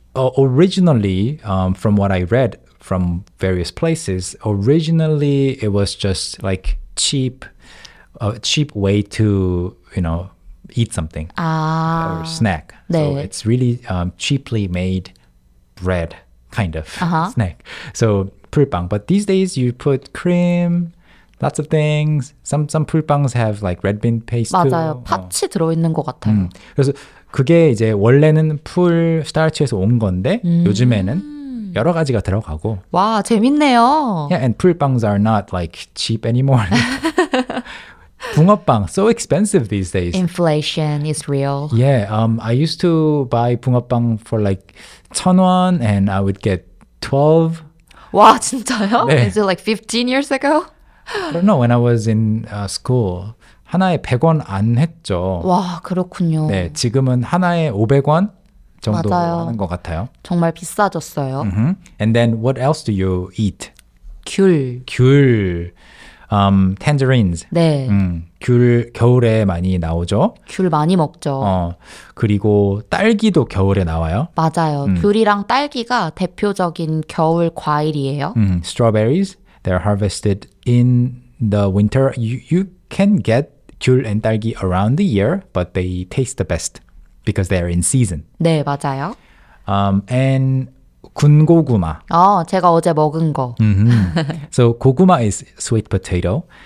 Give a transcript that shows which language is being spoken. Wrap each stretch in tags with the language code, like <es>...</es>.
<en>Originally, from what I read from various places, originally it was just like cheap way to, you know, eat something. Or snack.</en> <ko>네.</ko> <en>So it's really cheaply made bread. Kind of uh-huh. snack. So 풀빵. But these days you put cream, lots of things. Some 풀빵s have like red bean paste</en> <ko>맞아요.</ko> <en>too.</en> <ko>맞아요. 파츠 들어있는 것 같아요. 그래서 그게 이제 원래는 풀 스타치에서 온 건데 요즘에는 여러 가지가 들어가고. 와, 재밌네요.</ko> <en>Yeah, and 풀빵s are not like cheap anymore. 붕어빵, so expensive these days. Inflation is real. Yeah, I used to buy 붕어빵 for like 1,000 won, and I would get 12.</en> <ko>와, 진짜요? 네.</ko> <en>Is it like 15 years ago? I don't know, when I was in school.</en> <ko>하나에 100원 안 했죠. 와, 그렇군요. 네, 지금은 하나에 500원 정도 맞아요. 하는 것 같아요. 정말 비싸졌어요.</ko> <en>Mm-hmm. And then what else do you eat?</en> <ko>귤. 귤. Tangerines. 네. 귤 겨울에 많이 나오죠. 귤 많이 먹죠. 그리고 딸기도 겨울에 나와요. 맞아요. 귤이랑 딸기가 대표적인 겨울 과일이에요.</ko> <en>Strawberries. They're harvested in the winter. You can get 귤 and 딸기 around the year, but they taste the best because they're in season.</en> <ko>네, 맞아요.</ko> <en>And 군고구마.</en> <ko>제가 어제 먹은 거.</ko> <en>Mm-hmm. So 고구마 is sweet potato.</en>